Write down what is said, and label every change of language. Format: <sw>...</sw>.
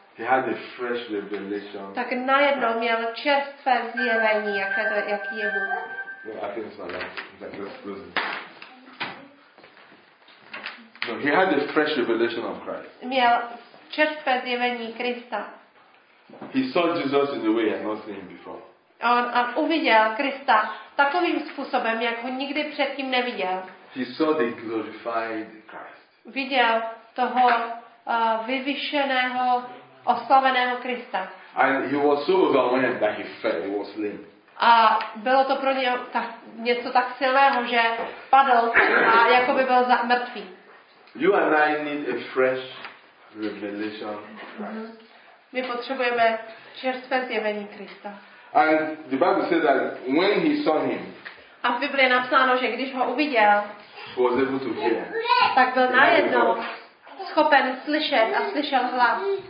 <en>He had a fresh revelation.</en> <cs>Tak najednou měl čerstvé zjevení, jaký je Bůh.</cs> <en>Yeah, I think it's not that. That's crazy. No, he had a fresh revelation of Christ.</en> <cs>Měl čerstvé zjevení Krista.</cs> <en>He saw Jesus in the way he had not seen him before.</en> <cs>On uviděl Krista takovým způsobem, jak ho nikdy předtím neviděl.</cs> <en>He saw the glorified Christ.</en> <cs>Viděl toho vyvyšeného, oslaveného Krista.</cs> <en>And he was so overwhelmed that he fell, he was lame.</en> <cs>A bylo to pro něj něco tak silného, že padl a jako by byl mrtvý.</cs> <en>You and I need a fresh revelation of Christ.</en> <cs>My potřebujeme čerstvé zjevení Krista.</cs> <en>And the Bible says that when he saw him.</en> <cs>A v Biblii je napsáno, že když ho uviděl.</cs> <en>He was able to hear.</en> <cs>Tak byl najednou schopen slyšet a slyšel hlas.</cs>